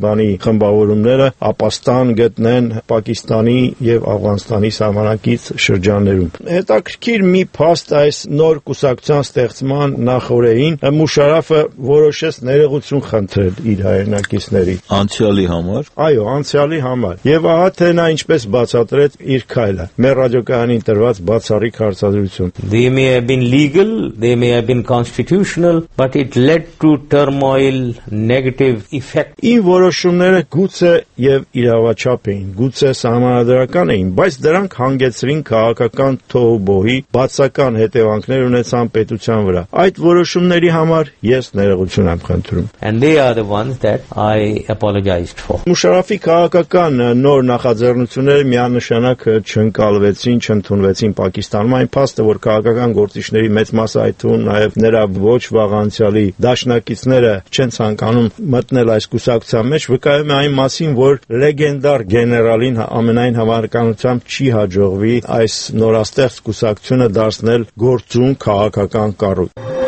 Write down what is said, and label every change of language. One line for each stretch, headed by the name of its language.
Armenian: Թալիբանի խմբավորումները ապաստան գտնեն Պակիստանի եւ Աֆղանստանի սահմանակից շրջաններում։ Հետաքրքիր մի փաստ այս նոր կուսակցության ստեղծման նախորեին՝ Մուշարաֆը որոշեց ներողություն խնդրել իր հայրենակիցների անցյալի համար։ Այո, անցյալի համար։ Եվ ահա թե նա ինչպես բացատրեց իր քայլը։ Մեր ռադիոկայանին տրված բացառիկ հարցադրություն։
English: They may have been legal, they may have been constitutional, but it led to turmoil, negative effect.
Armenian: Իմ որոշումները գուցե եւ իրավաչափ էին, գուցե սահմանադրական էին, բայց դրանք հանգեցրին քաղաքական թողուբոհի, բացական հետևանքներ ունեցան պետության վրա։ Այդ որոշումների համար ես ներողություն եմ խնդրում։
English: And they are the ones that I apologized for.
Armenian: Մուշարաֆի քաղաքական նոր նախաձեռնությունները միանշանակ չընկալվեցին, չընդունվեցին Պակիստանում, այն փաստը, որ քաղաքական գործիչների մեծ մասը այդու նաև նրա ոչ վաղ անցյալի դաշնակիցները չեն ցանկանում մտնել այս կուսակցության մեջ, վկայում է այն մասին, որ լեգենդար գեներալին ամենայն հավանականությամբ չի հաջողվի այս նորաստեղծ կուսակցությունը դարձնել գործուն քաղաքական կառույց։